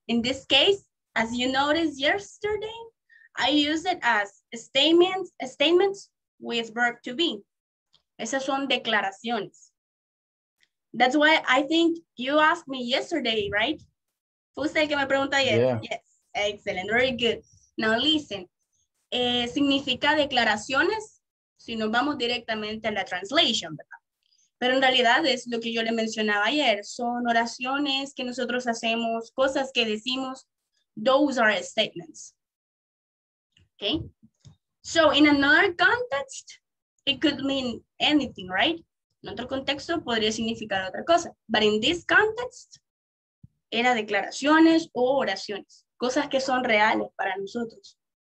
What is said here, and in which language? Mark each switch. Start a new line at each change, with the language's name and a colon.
English: In this case, as you noticed yesterday, I use it as statements with verb to be.
Spanish: Esas son declaraciones.
English: That's why I think you asked me yesterday, right?
Spanish: Fue usted que me pregunta ayer.
English: Yeah. Yes. Excellent. Very good. Now listen.
Spanish: Significa declaraciones si nos vamos directamente a la translation, ¿verdad? Pero en realidad es lo que yo le mencionaba ayer. Son oraciones que nosotros hacemos, cosas que decimos.
English: Those are statements. Okay? So in another context, it could mean anything, right?
Spanish: En otro contexto podría significar otra cosa.
English: But in this context,
Spanish: era declaraciones o oraciones. Cosas que son reales para nosotros.